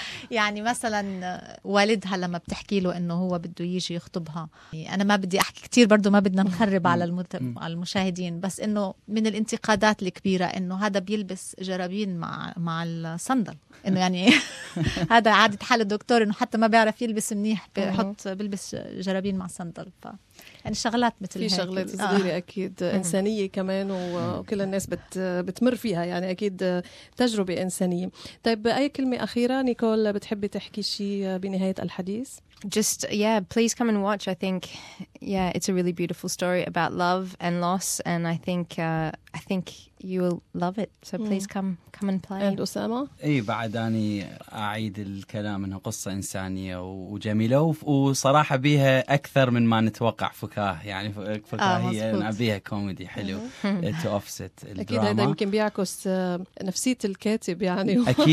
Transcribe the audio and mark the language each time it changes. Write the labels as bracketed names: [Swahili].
[Arabic] يعني مثلا والدها لما بتحكي له إنه هو بده يجي يخطبها, أنا ما بدي أحكي كتير برضو, ما بدنا نخرب على المشاهدين, بس إنه من الانتقادات الكبيرة إنه هذا بيلبس جرابين مع الصندل, انه يعني هذا عادة حال الدكتور انه حتى ما بيعرف يلبس منيح, بيلبس جرابين مع صندل. يعني شغلات مثل في هيك, في شغلات صغيرة أكيد إنسانية كمان, وكل الناس بتمر فيها, يعني أكيد تجربة إنسانية. طيب أي كلمة أخيرة نيكول بتحب تحكي شيء بنهاية الحديث؟ [English] Just yeah, please come and watch. I think yeah, it's a really beautiful story about love and loss, and I think you will love it. So please come and play. And Osama. [Arabic] أي بعد أني أعيد الكلام إنها قصة إنسانية وجميلة, وصراحة بيها أكثر من ما نتوقع, فكاهة يعني فكاهية بيها كوميدي حلو [English] to offset the drama. [Arabic] أكيد هذا يمكن بيعكس نفسية الكاتب يعني.